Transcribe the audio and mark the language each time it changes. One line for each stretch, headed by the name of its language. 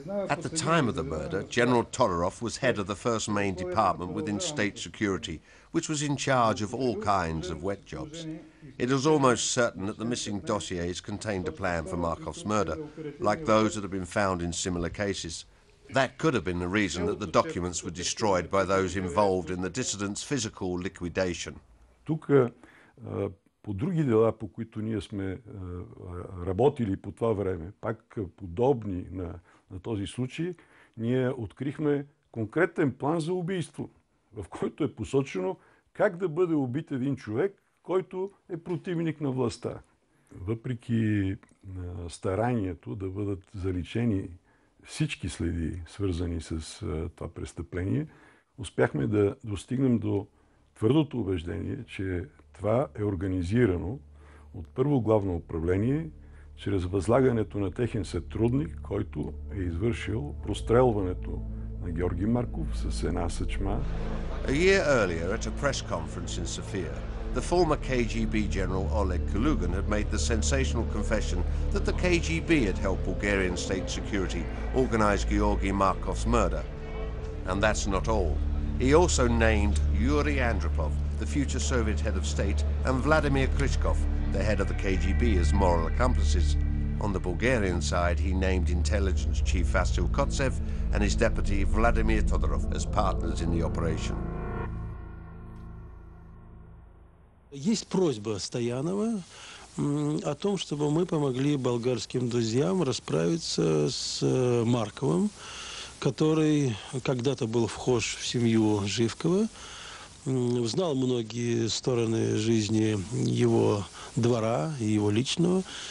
English: At the time of the murder, General Todorov was head of the first main department within state security, which was in charge of all kinds of wet jobs. It was almost certain that the missing dossiers contained a plan for Markov's murder, like those that had been found in similar cases. That could have been the reason that the documents were destroyed by those involved in the dissident's physical liquidation.
Bulgarian: Тук по други дела, по които ние сме работили по това време, пак подобни на На този случай ние открихме конкретен план за убийство, в който е посочено как да бъде убит един човек, който е противник на властта. Въпреки старанието да бъдат заличени всички следи, свързани с това престъпление, успяхме да достигнем до твърдото убеждение, че това е организирано от Първо главно управление, чрез възлагането на техен сътрудник, който е извършил прострелването на Георги Марков с една съчма.
English: A year earlier at a press conference in Sofia, the former KGB general Oleg Kalugin had made the sensational confession that the KGB had helped Bulgarian state security organize Georgi Markov's murder. And that's not all. He also named Yuri Andropov, the future Soviet head of state, and Vladimir Krychkov, the head of the KGB, as moral accomplices. On the Bulgarian side, he named intelligence chief Vasil Kotsev and his deputy Vladimir Todorov as partners in the operation.
Russian: Есть просьба Стоянова о том, чтобы мы помогли болгарским друзьям расправиться с Марковым, который когда-то был вхож в семью Живкова, знал многие стороны жизни его двора и его личного.